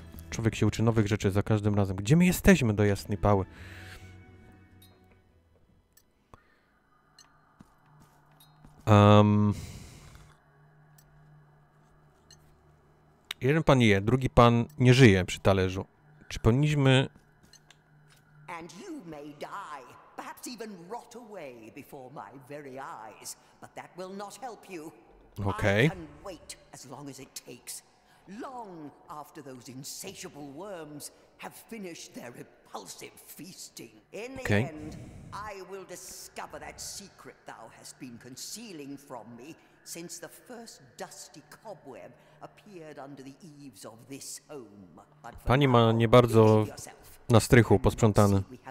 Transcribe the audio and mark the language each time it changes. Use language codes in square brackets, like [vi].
[pl] Człowiek się uczy nowych rzeczy za każdym razem. Gdzie my jesteśmy, do jasnej pały? Jeden pan je, drugi pan nie żyje przy talerzu. Czy powinniśmy... [en] And you may die, perhaps even rot away before my very eyes, but that will not help you. Okay. I can wait as long as it takes, long after those insatiable worms have finished their repulsive feasting. In the end, I will discover that secret thou hast been concealing from me since the first dusty cobweb appeared under the eaves of this home. [pl] Pani ma nie bardzo na strychu posprzątany.